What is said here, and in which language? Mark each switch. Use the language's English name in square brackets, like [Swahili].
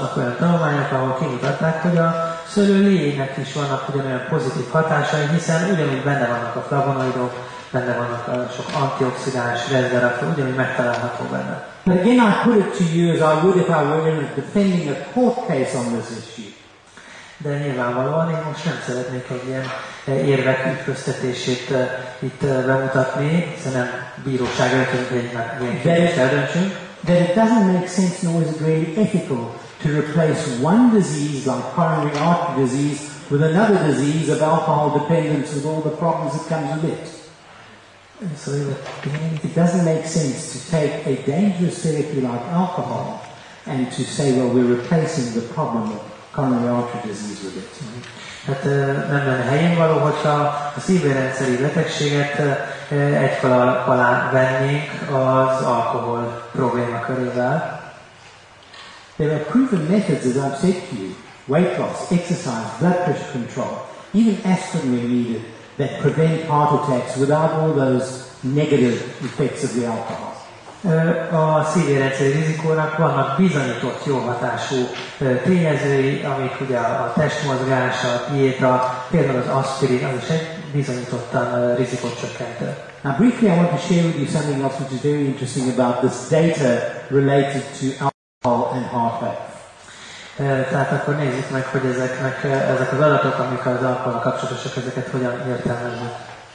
[Hungarian] Vannak olyan tanulmányok, ahol kimutatták, hogy a szőlő lének is vannak ugyanolyan pozitív hatásai, hiszen ugyanúgy benne vannak a flavonoidok, benne vannak a sok antioxidáns resveratrol, ugyanúgy megtalálható benne. [English] But again, I put it to you as I would if I were defending a court case on this issue. [Hungarian] De nyilvánvalóan én most nem szeretnék egy ilyen érvek ütköztetését itt bemutatni, hiszen nem bíróság előtt eldöntsünk. [English] That it doesn't make sense nor is it really ethical to replace one disease like coronary artery disease with another disease of alcohol dependence with all the problems that comes with it. So it doesn't make sense to take a dangerous therapy like alcohol and to say, well, we're replacing the problem of coronary artery disease with it. [Hungarian] Hát nem lenne helyén való, hogyha a szívérendszeri betegséget egy fal alá vennék az alkohol probléma körével. [English] There are proven methods, as I've said to you, weight loss, exercise, blood pressure control, even aspirin when needed, that prevent heart attacks without all those negative effects of the alcohol. [Hungarian] A szívérendszeri rizikónak vannak bizonyított jó hatású tényezői, amik ugye a testmozgás, a diéta, például az aspirin, az is egy bizonyítottan rizikot csökkentő. [English] Now briefly I want to share with you something else which is very interesting about this data related to alcohol and heart health. [Hungarian] Tehát akkor nézzük meg, hogy ezek az adatok, amik az alkohol kapcsolatosak, ezeket hogyan értelmeznek.